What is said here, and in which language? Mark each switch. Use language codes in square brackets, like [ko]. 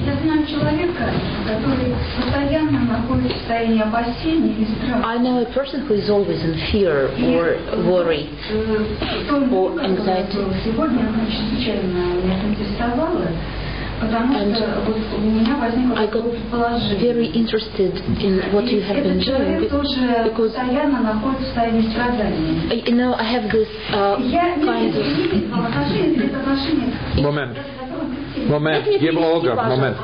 [ru] Я знаю человека, который постоянно находится в состоянии опасения и страха. [en] I know a person who is always in fear or worry or anxiety. [ru] Сегодня она чрезвычайно меня интересовала. [en] I got very interested in what you have been doing because you know I have this kind of moment. Moment, give Olga, moment.